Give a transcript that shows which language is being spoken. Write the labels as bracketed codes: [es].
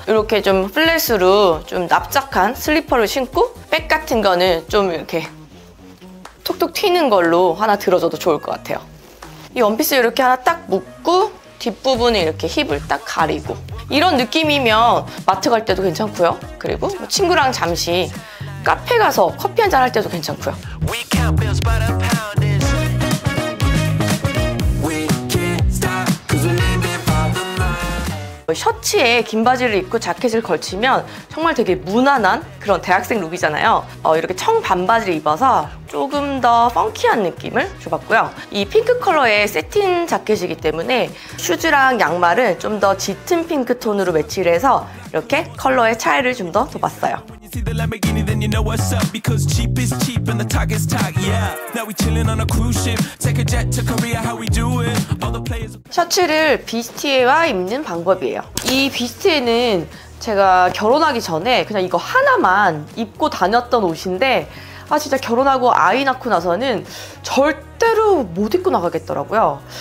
[ko] 이렇게 좀 플랫으로 좀 납작한 슬리퍼를 신고 백 같은 거는 좀 이렇게 톡톡 튀는 걸로 하나 들어줘도 좋을 것 같아요. 이 원피스 이렇게 하나 딱 묶고 뒷부분에 이렇게 힙을 딱 가리고, 이런 느낌이면 마트 갈 때도 괜찮고요. 그리고 친구랑 잠시 카페 가서 커피 한잔 할 때도 괜찮고요. [en] We count bills but a pound is We can't stop cause we're living by the line. [ko] 셔츠에 긴 바지를 입고 자켓을 걸치면 정말 되게 무난한 그런 대학생 룩이잖아요. 이렇게 청 반바지를 입어서 조금 더 펑키한 느낌을 줘봤고요. 이 핑크 컬러의 새틴 자켓이기 때문에 슈즈랑 양말은 좀 더 짙은 핑크 톤으로 매치를 해서 이렇게 컬러의 차이를 좀 더 돋봤어요. [en] See the Lamborghini, then you know what's up. Because cheap is cheap and the talk is talk. Yeah. Now we chilling on a cruise ship. Take a jet to Korea. How we do it? All the players. [ko] 셔츠를 비스트에와 입는 방법이에요. 이 비스트에는 제가 결혼하기 전에 그냥 이거 하나만 입고 다녔던 옷인데, 아 진짜 결혼하고 아이 낳고 나서는 절대로 못 입고 나가겠더라고요.